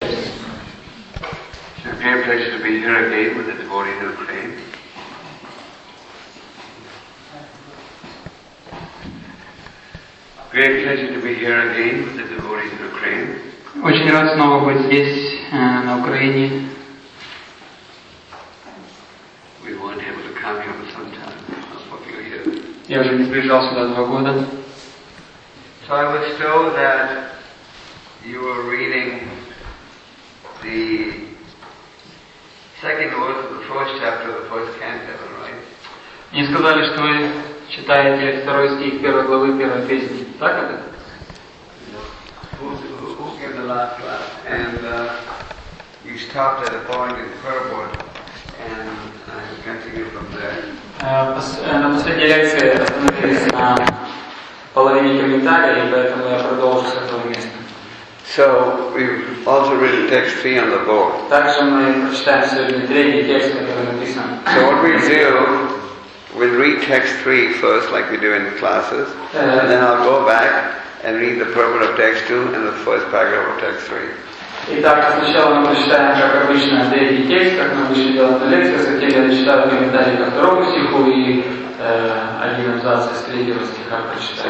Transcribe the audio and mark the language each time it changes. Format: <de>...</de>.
<en>dear pleasure to be here again with the devotee who prayed. Great pleasure to be here again with the devotees in Ukraine.</en> <ru>Очень рад снова быть здесь, на Украине.</ru> <en>We weren't able to come here for some time.</en> <ru>Я уже не приезжал сюда 2 года.</ru> <en>So I was told that you were reading the second verse of the first chapter of the first canto, right?</en> <ru>Мне сказали, что вы читаете 2 стих 1 главы 1 песни. Так это?</ru> <en>Who gave the last class? And you stopped at a point in purport and I continue from there.</en> <ru>На последней лекции остановились на половине комментария, и поэтому я продолжу с этого места.</ru> <en>So we've also read the text 3 on the board.</en> <ru>Также мы прочитаем сегодня 3-й текст, который написан.</ru> <en>So what we do, we'll read text 3 first, like we do in classes, and then I'll go back and read the purport of text 2 and the first paragraph of text 3.</en> <ru>Итак, сначала мы прочитаем, как обычно, 3-й текст, как мы обычно делаем на лекциях, затем я дочитаю комментарий ко 2 стиху и один абзац из 3-го стиха прочитаю.</ru>